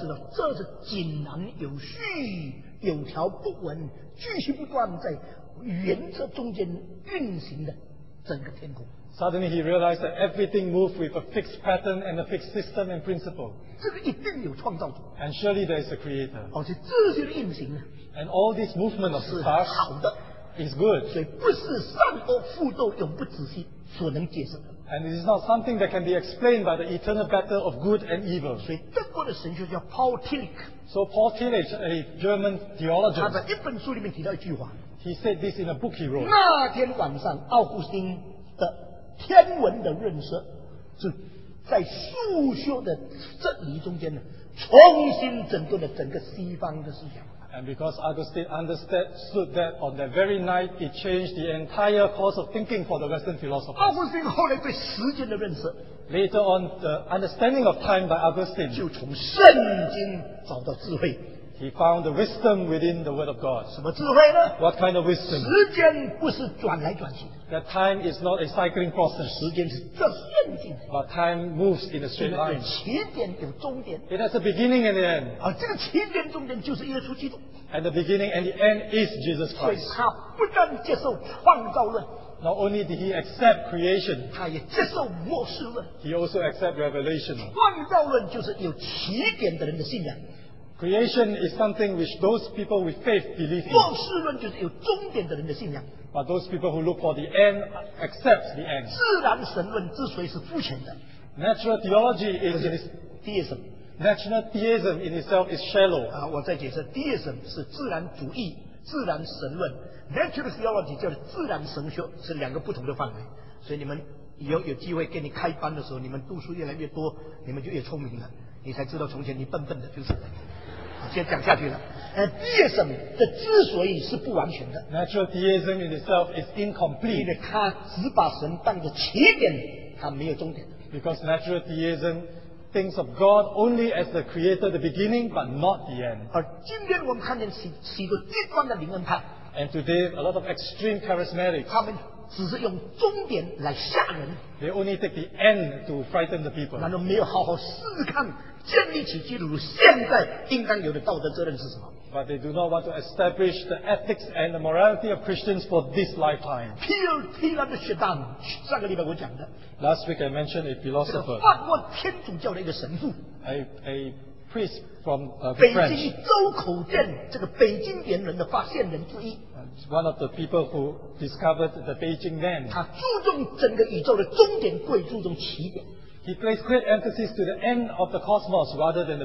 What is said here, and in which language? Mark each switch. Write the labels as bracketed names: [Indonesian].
[Chinese] 知道这是井然有序、有条不紊、继续不断在原则中间运行的整个天空。 [English] Suddenly he realized that everything moved with a fixed pattern and a fixed system and principle. [Chinese] 这个一定有创造主。 [English] And surely there is a creator. [Chinese] 而且这些运行呢， [English] and all this movement of stars [Chinese] 是好的， [English] is good. [Chinese] 所以不是善恶复斗永不止息所能解释的。 [English] And it is not something that can be explained by the eternal battle of good and evil. [Chinese] 所以德国的神学叫 Paul Tillich. [English] So Paul Tillich, a German theologian, [Chinese] 他在一本书里面提到一句话。 [English] He said this in a book he wrote. [Chinese] 那天晚上，奥古斯丁的天文的认识就在数学的质疑中间呢，重新整顿了整个西方的思想。 [English] And because Augustine understood that on that very night, it changed the entire course of thinking for the Western philosophers. [Chinese] Augustine 后来对时间的认识。 [English] Later on, the understanding of time by Augustine [Chinese] 就从圣经找到智慧。 [English] He found the wisdom within the word of God. [Chinese] 什么智慧呢？ [English] What kind of wisdom? [Chinese] 时间不是转来转去。 [English] That time is not a cycling process. [Chinese] 时间是直线性。 [English] But time moves in a straight line. [Chinese] 起点有终点。 [English] It has a beginning and an end. [Chinese] 这个起点终点就是耶稣基督。 [English] And the beginning and the end is Jesus Christ. [Chinese] 所以他不但接受创造论。 [English] Not only did he accept creation, [Chinese] 他也接受末世论。 [English] He also accept revelation. [Chinese] 创造论就是有起点的人的信仰。 [English] Creation is something which those people with faith believe in. [Chinese] 末世论就是有终点的人的信仰。 [English] But those people who look for the end accept the end. [Chinese] 自然神论之所以是肤浅的。 [English] Natural theology is deism. Natural theism in itself is shallow. [Chinese] 我再解释 ，deism 是自然主义、自然神论 ，natural theology 叫自然神学，是两个不同的范围。所以你们以后有机会给你开班的时候，你们读书越来越多，你们就越聪明了，你才知道从前你笨笨的就是。先讲下去了。Deism 的之所以是不完全的 [English] ，Natural Deism in itself is incomplete， [Chinese] 因为他只把神当作起点，他没有终点。 [English] Because Natural Deism thinks of God only as the Creator, the beginning, but not the end。 [Chinese] 而今天我们看见许多极端的灵恩派 [English] ，And today a lot of extreme charismatics， [Chinese] 他们只是用终点来吓人 [English] ，They only take the end to frighten the people， [Chinese] 然后没有好好试看。建立起基督徒现在应当有的道德责任是什么？ [English] But they do not want to establish the ethics and the morality of Christians for this lifetime. [Chinese] Pierre Chardin 上个礼拜我讲的。 [English] Last week I mentioned a philosopher. [Chinese] 法国天主教的一个神父。 [English] A priest from French. [Chinese] 北京周口店这个北京猿人的发现人之一。 [English] One of the people who discovered the Beijing man. [Chinese] 他注重整个宇宙的终点，贵注重起点。 [English] He placed great emphasis to the end of the cosmos rather than the